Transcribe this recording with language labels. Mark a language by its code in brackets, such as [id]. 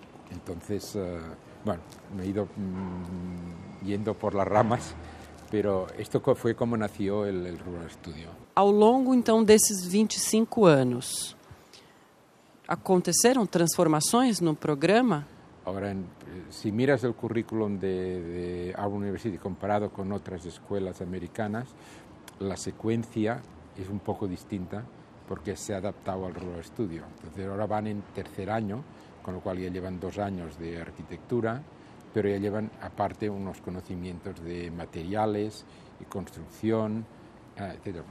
[es] Entonces, me he ido yendo por las ramas, pero esto fue como nació el Rural Estúdio. [pt] Ao longo, então, desses 25 anos, ¿aconteceram transformações no programa? [es] Ahora, si miras el currículum de Auburn University comparado con otras escuelas americanas, la secuencia es un poco distinta porque se ha adaptado al Rural Estúdio. Entonces, ahora van en tercer año, con lo cual ya llevan dos años de arquitectura, pero ya llevan aparte unos conocimientos de materiales y construcción, etcétera.